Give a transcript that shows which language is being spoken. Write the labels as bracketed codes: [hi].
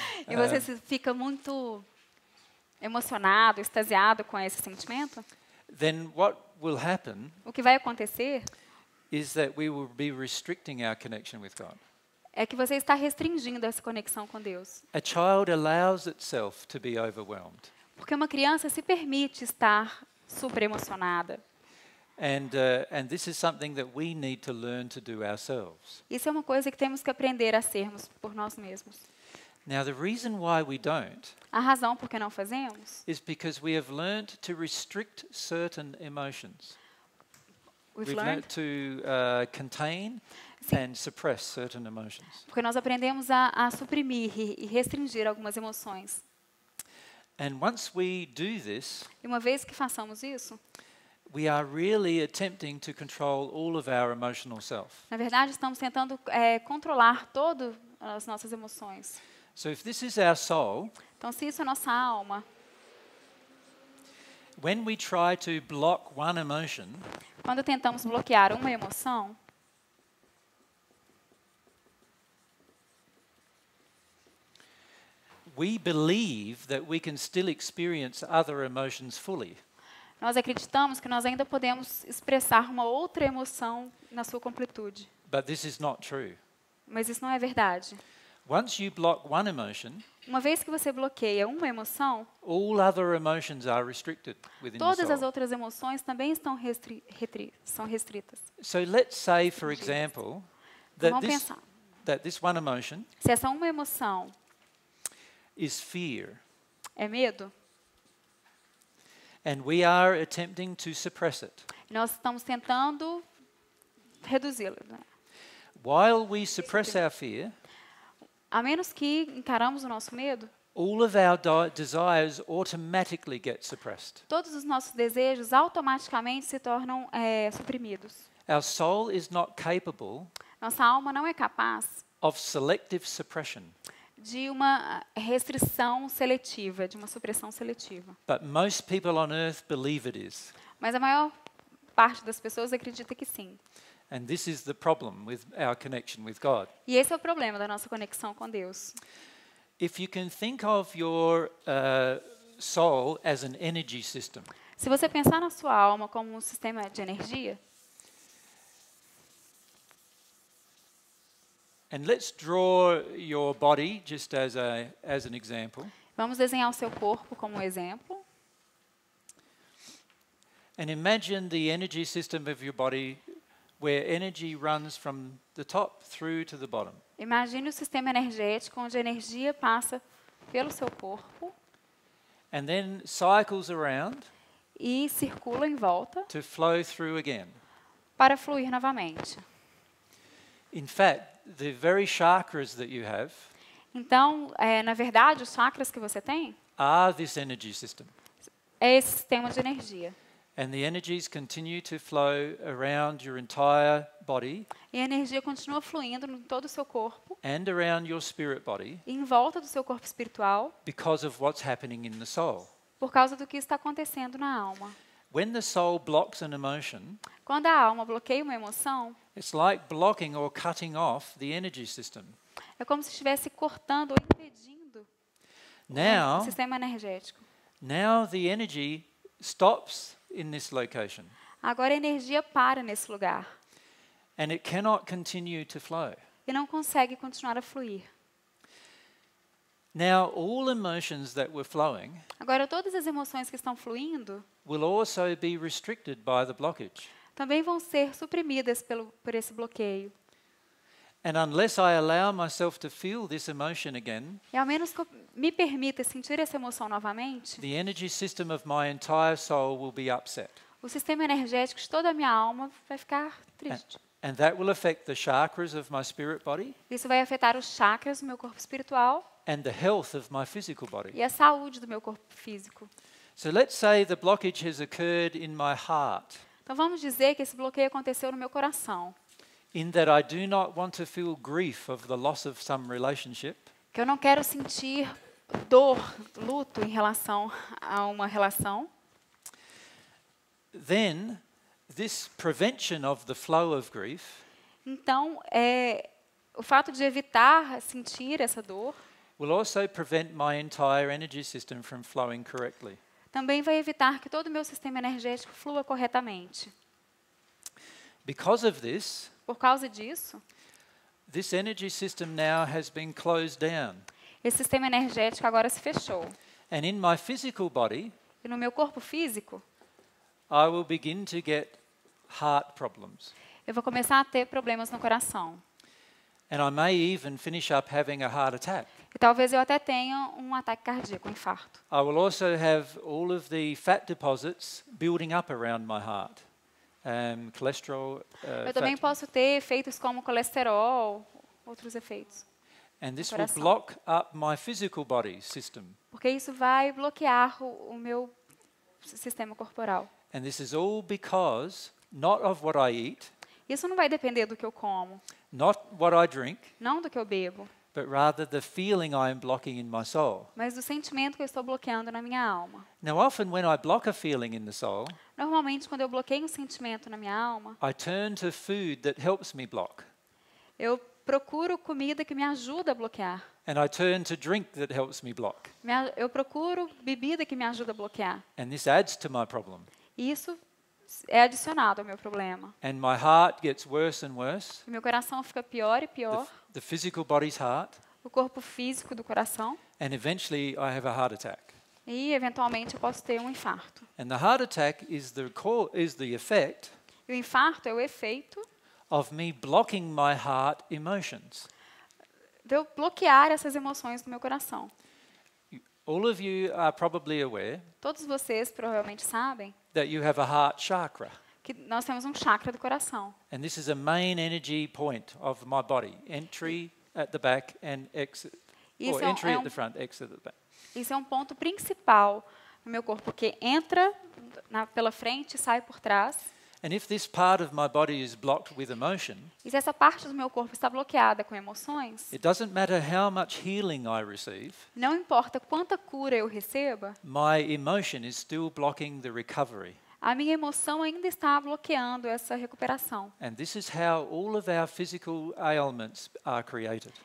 [pt] e você fica muito emocionado, extasiado com esse sentimento, [en] then what will happen, [pt] o que vai acontecer, [en] is that we will be restricting our connection with God. [pt] É que você está restringindo essa conexão com Deus. [en] A child allows itself to be overwhelmed. [pt] Porque uma criança se permite estar super emocionada. [en] And this is something that we need to learn to do ourselves. [pt] Isso é uma coisa que temos que aprender a sermos por nós mesmos. [en] Now the reason why we don't, [pt] a razão por que não fazemos, [en] is because we have learned to restrict certain emotions. We've learned to contain and suppress certain emotions. [pt] Porque nós aprendemos a suprimir e restringir algumas emoções. [en] And once we do this, [pt] e uma vez que façamos isso, [en] we are really attempting to control all of our emotional self. [pt] Na verdade, estamos tentando controlar todo as nossas emoções. [en] So if this is our soul, [pt] então se isso é nossa alma, [en] when we try to block one emotion, [pt] quando tentamos bloquear uma emoção, [en] we believe that we can still experience other emotions fully. [pt] Nós acreditamos que nós ainda podemos expressar uma outra emoção na sua completude. [en] But this is not true. [pt] Mas isso não é verdade. [en] Once you block one emotion, [pt] uma vez que você bloqueia uma emoção, [en] all other emotions are restricted within the soul. [pt] Todas as outras emoções também estão restritas. [en] So let's say, for example, that this one emotion, [pt] se essa uma emoção, [en] is fear. [pt] É medo. [en] And we are attempting to suppress it. [pt] Nós estamos tentando reduzi-lo. [en] While we suppress our fear, [pt] a menos que encaramos o nosso medo, [en] all of our desires automatically get suppressed. [pt] Todos os nossos desejos automaticamente se tornam suprimidos. [en] Our soul is not capable. [pt] Nossa alma não é capaz [en] of selective suppression. [pt] De uma restrição seletiva, de uma supressão seletiva. [en] But most people on earth believe it is. [pt] Mas a maior parte das pessoas acredita que sim. [en] And this is the problem with our connection with God. [pt] E esse é o problema da nossa conexão com Deus. [en] If you can think of your soul as an energy system. [pt] Se você pensar na sua alma como um sistema de energia. [en] And let's draw your body just as an example. [pt] Vamos desenhar o seu corpo como um exemplo. [en] And imagine the energy system of your body, where energy runs from the top through to the bottom. [pt] Imagine o sistema energético onde a energia passa pelo seu corpo. [en] And then cycles around. [pt] E circula em volta. [en] To flow through again. [pt] Para fluir novamente. [en] In fact, the very chakras that you have. [pt] Então, na verdade, os chakras que você tem. [en] Are this energy system. [pt] É esse sistema de energia. [en] And the energies continue to flow around your entire body. [pt] E a energia continua fluindo em todo o seu corpo. [en] And around your spirit body. [pt] Em volta do seu corpo espiritual. [en] Because of what's happening in the soul. [pt] Por causa do que está acontecendo na alma. [en] When the soul blocks an emotion, [pt] quando a alma bloqueia uma emoção, [en] it's like blocking or cutting off the energy system. [pt] É como se estivesse cortando ou impedindo [en] now, [pt] o sistema energético. [en] Now the energy stops in this location. [pt] Agora a energia para nesse lugar. [en] And it cannot continue to flow. [pt] E não consegue continuar a fluir. [en] Now all emotions that were flowing, [pt] agora todas as emoções que estão fluindo, [en] will also be restricted by the blockage. [pt] Também vão ser suprimidas por esse bloqueio. [en] And unless I allow myself to feel this emotion again, [pt] e ao menos que eu me permita sentir essa emoção novamente, [en] the energy system of my entire soul will be upset. [pt] O sistema energético de toda a minha alma vai ficar triste. [en] And that will affect the chakras of my spirit body. [pt] Isso vai afetar os chakras do meu corpo espiritual. [en] And the health of my physical body. [pt] E a saúde do meu corpo físico. [en] So let's say the blockage has occurred in my heart. [pt] Então vamos dizer que esse bloqueio aconteceu no meu coração. [en] In that I do not want to feel grief of the loss of some relationship. [pt] Que eu não quero sentir dor, luto em relação a uma relação. [en] Then this prevention of the flow of grief. [pt] Então, o fato de evitar sentir essa dor [en] will also prevent my entire energy system from flowing correctly. [pt] Também vai evitar que todo o meu sistema energético flua corretamente. [en] Because of this, [pt] por causa disso, [en] this energy system now has been closed down. [pt] Esse sistema energético agora se fechou. [en] And in my physical body, [pt] e no meu corpo físico, [en] I will begin to get heart problems. [pt] Eu vou começar a ter problemas no coração. [en] And I may even finish up having a heart attack. [pt] E talvez eu até tenha um ataque cardíaco, um infarto. [en] I will also have all of the fat deposits building up around my heart. Cholesterol. [pt] Eu também posso ter efeitos como colesterol, outros efeitos. [en] And this will block up my physical body system. [pt] Porque isso vai bloquear o meu sistema corporal. [en] And this is all because not of what I eat. [pt] Isso não vai depender do que eu como. [en] Not what I drink. [pt] Não do que eu bebo. [en] But rather the feeling I am blocking in my soul. [pt] Mas o sentimento que eu estou bloqueando na minha alma. [en] Now often when I block a feeling in the soul, [pt] normalmente quando eu bloqueio um sentimento na minha alma, [en] I turn to food that helps me block. [pt] Eu procuro comida que me ajuda a bloquear. [en] And I turn to drink that helps me block. [pt] Eu procuro bebida que me ajuda a bloquear. [en] And this adds to my problem. [pt] Isso é adicionado ao meu problema. [en] And my heart gets worse and worse. [pt] E meu coração fica pior e pior. [en] The physical body's heart. [pt] O corpo físico do coração. [en] And eventually I have a heart attack. [pt] E eventualmente eu posso ter um infarto. [en] And the heart attack is the effect. [pt] E o infarto é o efeito [en] of me blocking my heart emotions. [pt] De eu bloquear essas emoções do meu coração. [en] All of you are probably aware. [pt] Todos vocês provavelmente sabem. [en] That you have a heart chakra. [pt] Que nós temos chakra do coração. [en] And this is a main energy point of my body. Entry at the back and exit. [pt] Isso [en] or entry at the front, exit at the back. [pt] Isso é ponto principal no meu corpo, que entra pela frente e sai por trás. [en] And if this part of my body is blocked with emotion, [pt] e se essa parte do meu corpo está bloqueada com emoções, [en] it doesn't matter how much healing I receive, [pt] não importa quanta cura eu receba, [en] my emotion is still blocking the recovery. [pt] A minha emoção ainda está bloqueando essa recuperação. [en] And this is how all of our physical ailments are created.